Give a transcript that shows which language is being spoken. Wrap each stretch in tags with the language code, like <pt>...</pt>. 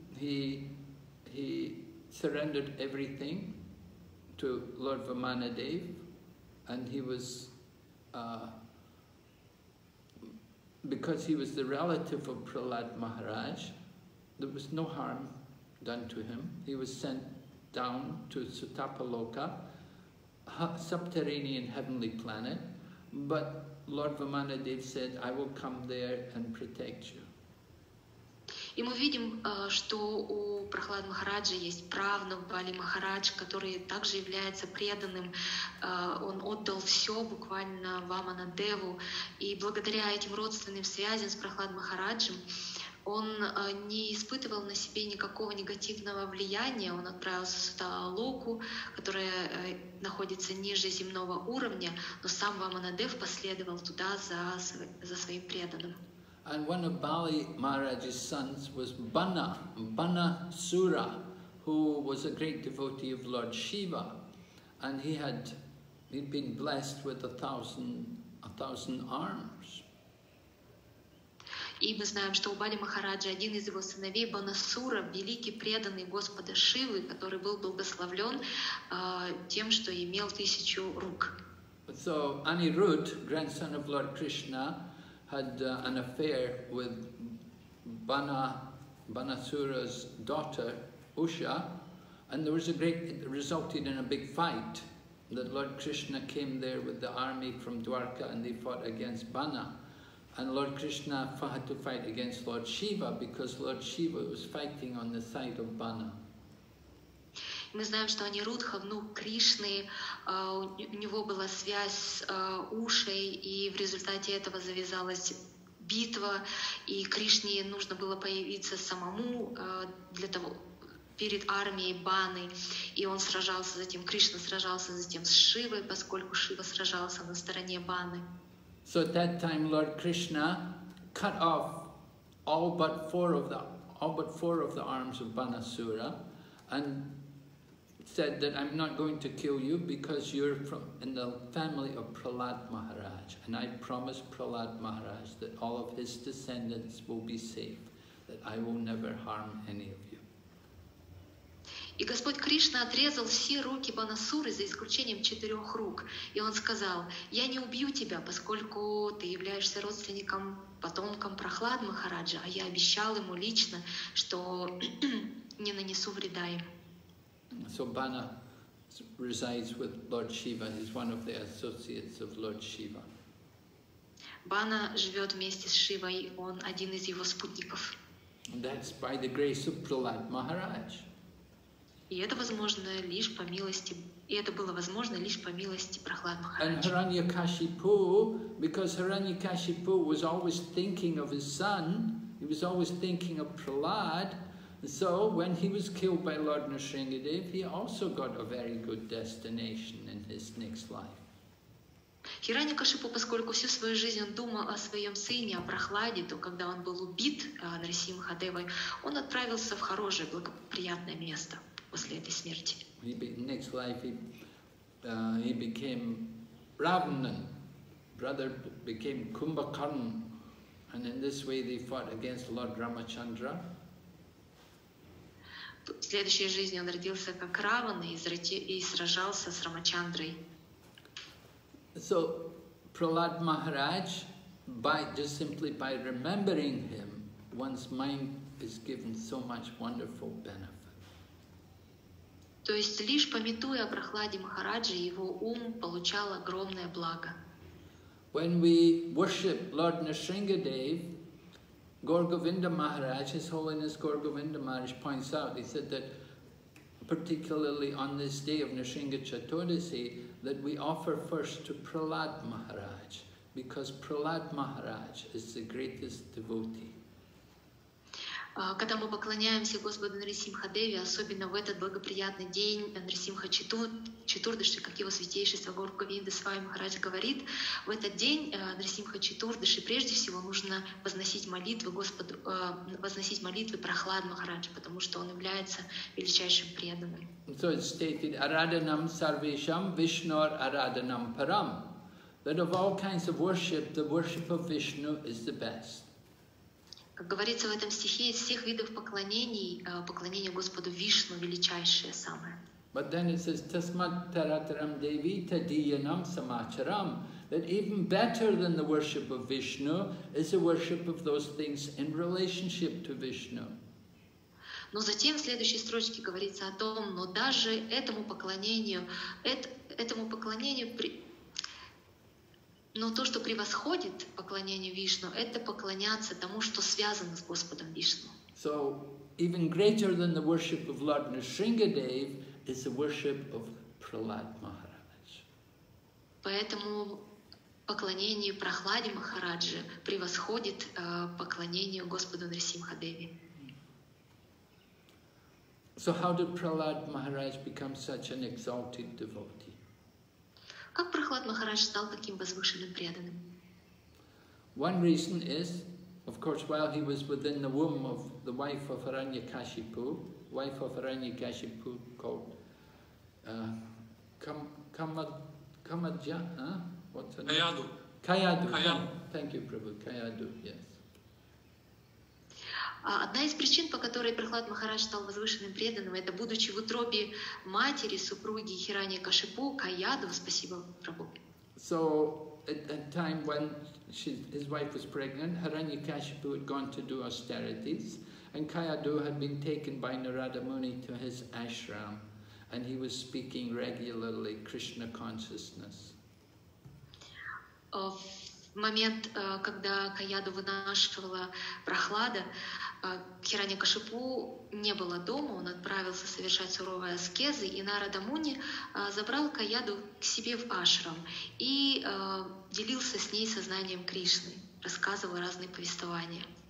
<en>He surrendered everything to Lord Vamanadev, and he was because he was the relative of Prahlad Maharaj, there was no harm done to him. He was sent down to Sutapaloka, subterranean heavenly planet, but Lord Vamanadev said, I will come there and protect you.</en> <ru>И мы видим, что у Прахлад Махараджа есть правнук Бали Махарадж, который также является преданным. Он отдал все буквально Вамана Деву. И благодаря этим родственным связям с Прахлад Махараджем, он не испытывал на себе никакого негативного влияния. Он отправился в Сутталоку, которая находится ниже земного уровня, но сам Вамана Дев последовал туда за своим преданным.</ru> <en>And one of Bali Maharaj's sons was Banna, Banna Sura, who was a great devotee of Lord Shiva. And he'd been blessed with a thousand arms.</en> <ru>И мы знаем, что у Бали Махараджа один из его сыновей, Банна Сура, великий преданный Господа Шивы, который был благословлен тем, что имел 1000 рук.</ru> <en>So Anirudh, grandson of Lord Krishna, had an affair with Banasura's daughter, Usha, and there was it resulted in a big fight that Lord Krishna came there with the army from Dwarka and they fought against Banna. And Lord Krishna had to fight against Lord Shiva because Lord Shiva was fighting on the side of Banna.</en> <ru>Мы знаем, что Анирудха, внук Кришны, у него была связь с Ушей, и в результате этого завязалась битва, и Кришне нужно было появиться самому для того, перед армией Баны, и он сражался затем, Кришна сражался затем с Шивой, поскольку Шива сражался на стороне Баны.</ru> <en>So at that time Lord Krishna cut off all but four of the arms of Banasura, and said that I'm not going to kill you because you're from in the family of Prahlad Maharaj, and I promised Prahlad Maharaj that all of his descendants will be safe, that I will never harm any of you.</en> <ru>И Господь Кришна отрезал все руки Банасуры за исключением четырех рук, и он сказал: «Я не убью тебя, поскольку ты являешься родственником, потомком Прахлад Махараджа, а я обещал ему лично, что не нанесу вреда им».</ru> <en>So Bana resides with Lord Shiva. He's one of the associates of Lord Shiva.</en> <ru>Bana живет вместе с Шивой, он один из его спутников.</ru> <en>That's by the grace of Prahlad Maharaj.</en> <ru>И это возможно лишь по милости, и это было возможно лишь по милости Прахлад Махараджа.</ru> <en>And Hiranyakashipu, because Hiranyakashipu was always thinking of his son, he was always thinking of Prahlad, so when he was killed by Lord Nrsingadev, he also got a very good destination in his next life.</en> <ru>Хираньякашипу, поскольку всю свою жизнь он думал о своем сыне, о Прахладе, то когда он был убит Нрсимхадевой, он отправился в хорошее, благоприятное место. После этой смерти.</ru> <en>Next life he became Ravanan, brother became Kumbhakarna, and in this way they fought against Lord Ramachandra.</en> <ru>В следующей жизни он родился как Раван и сражался с Рамачандрой.</ru> <en>So Prahlad Maharaj, by just simply by remembering him, one's mind is given so much wonderful benefit.</en> <ru>То есть лишь памятуя о Прахладе Махараджи, его ум получал огромное благо.</ru> <en>When we worship Lord Nrsingadev, Gorgovinda Maharaj, His Holiness Gorgovinda Maharaj points out, he said that particularly on this day of Nrsinga Chaturdasi, that we offer first to Prahlad Maharaj, because Prahlad Maharaj is the greatest devotee.</en> <ru>Когда мы поклоняемся Господу Нарисимхадеве, особенно в этот благоприятный день Нарисимха Четурдыши, как его святейшество Горгавинда с вами Махарадж говорит, в этот день Нарисимха Четурдыши прежде всего нужно возносить молитвы Господу, возносить молитвы Прахлад Махараджа, потому что он является величайшим преданным.</ru> <en>So it's stated,</en> <sa>Araadanam Sarvesham Vishnor Araadanam Param,</sa> <en>that of all kinds of worship, the worship of Vishnu is the best.</en> <ru>Как говорится в этом стихе, из всех видов поклонений, поклонение Господу Вишну величайшее самое.</ru> <en>But then it says,</en> <sa>Tasmat Tarataram Devi Tadiyanam Samacharam,</sa> <en>that even better than the worship of Vishnu is the worship of those things in relationship to Vishnu.</en> <ru>Но затем в следующей строчке говорится о том, но даже этому поклонению, этому поклонению при... Но то, что превосходит поклонение Вишну, это поклоняться тому, что связано с Господом Вишну.</ru> <en>So, even greater than the worship of Lord Nrsingadev is the worship of Prahlad Maharaj.</en> <ru>Поэтому поклонение Прахладе Махараджи превосходит поклонению Господу Нрсимхадеве.</ru> <en>So, how did Prahlad Maharaj become such an exalted devotee?</en> <ru>Как Прахлад Махарадж стал таким возвышенным преданным?</ru> <en>One reason is, of course, while he was within the womb of the wife of Hiranyakashipu, wife of Hiranyakashipu called what's her name? Kayadu. Kayadu. Kayadu. Thank you, Prabhu. Kayadu. Yes.</en> <ru>Одна из причин, по которой Прахлад Махарадж стал возвышенным преданным, это будучи в утробе матери, супруги Хираньякашипу, Каяду, спасибо Прабху.</ru> <en>So, at the time when his wife was pregnant, Hiranyakashipu had gone to do austerities, and Каяду had been taken by Narada Muni to his ashram, and he was speaking regularly Krishna consciousness.</en> <ru>В момент, когда Каяду вынашивала Прахлада, Хираньякашипу не было дома, он отправился совершать суровые аскезы, и Нарада Муни забрал Каяду к себе в ашрам и делился с ней сознанием Кришны, рассказывал разные повествования.</ru>